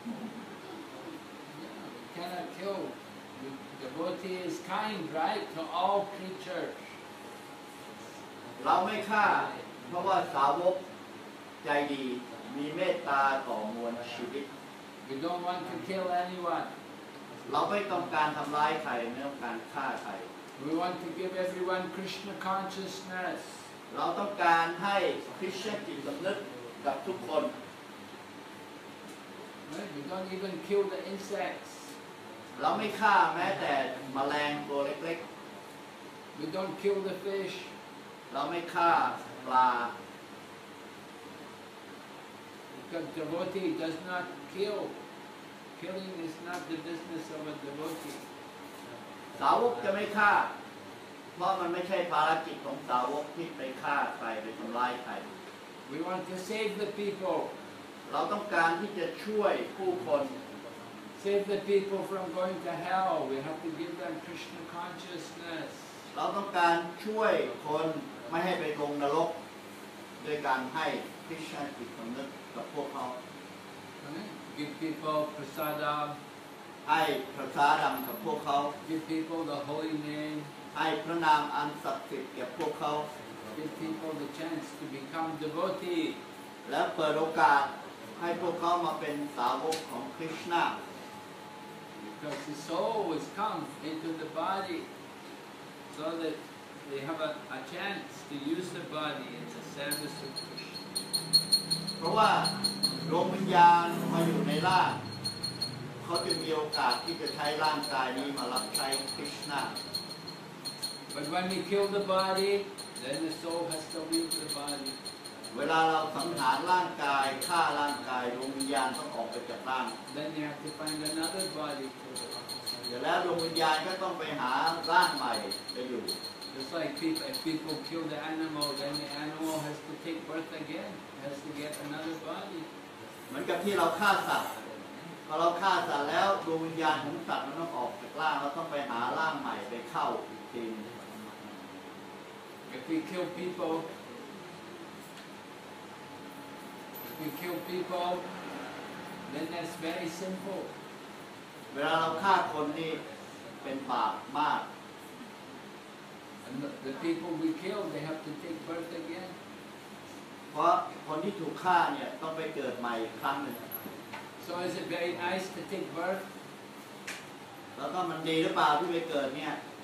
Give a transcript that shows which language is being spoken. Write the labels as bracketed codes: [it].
[en] yeah, cannot kill the devotee is kind right to all creatures [th] เราไม่ฆ่าเพราะว่าสาวกใจดีมีเมตตาต่อมวลชีวิต [en] we don't want to kill anyone [th] เราไม่ต้องการทำร้ายใครไม่ต้องการฆ่าใคร [en] we want to give everyone Krishna consciousness [th] เราต้องการให้คริสต์จิตสำนึกกับทุกคน [en] We don't even kill the insects. [th] เราไม่ฆ่าแม้แต่แมลงตัวเล็ก [en] ๆ We don't kill the fish. [th] เราไม่ฆ่าปลา [en] Because devotee does not kill. Killing is not the business of a devotee. [th] สาวกจะไม่ฆ่าเพราะมันไม่ใช่ภารกิจของสาวกที่ไปฆ่าใครไปทำร้ายใคร [en] We want to save the people. [th] เราต้องการที่จะช่วยผู้คน [en] Save the people from going to hell. We have to give them Krishna consciousness. [th] เราต้องการช่วยคนไม่ให้ไปลงนรกโดยการให้ Krishna จิตสำนึกกับพวกเขา [en] Give people prasadam. [th] ให้ prasadam กับพวกเขา [en] Give people the holy name. [th] ให้พระนามอันศักดิ์สิทธิ์แก่พวกเขา [en] Give people the chance to become devotee. [th] และเปิดโอกาสให้พวกเขามาเป็นสาวกของคริสต์ [en] because the soul has come into the body so that they have a chance to use the body in the service of Krishna [th] เพราะว่าดวงวิญญาณมาอยู่ในร่างเขาจะมีโอกาสที่จะใช้ร่างกายนี้มารับใช้คริสต์ [en] but when we kill the body then the soul has to leave the body [th] เวลาเราสังหารร่างกายฆ่าร่างกายดวงวิญญาณต้องออกไปจากร่าง [en] Then you have to find another body. [th] แล้วดวงวิญญาณก็ต้องไปหาร่างใหม่ไปอยู่ [en] Just like people kill the animal, then the animal has to take birth again, has to get another body. [th] เหมือนกับที่เราฆ่าสัตว์พอเราฆ่าสัตว์แล้วดวงวิญญาณของสัตว์มันต้องออกจากร่างเราต้องไปหาร่างใหม่ไปเข้าอีกทีนึง [en] If we kill peopleWe kill people, then that's very simple. [th] เวลาเราฆ่าคนนี่ เป็นบาปมาก [en] And the people we kill, they have to take birth again. [th] เพราะคนที่ถูกฆ่าเนี่ยต้องไปเกิดใหม่อีกครั้งหนึ่ง [en] So is it very nice to take birth? [th] แล้วก็มันดีหรือเปล่าที่ไปเกิดเนี่ย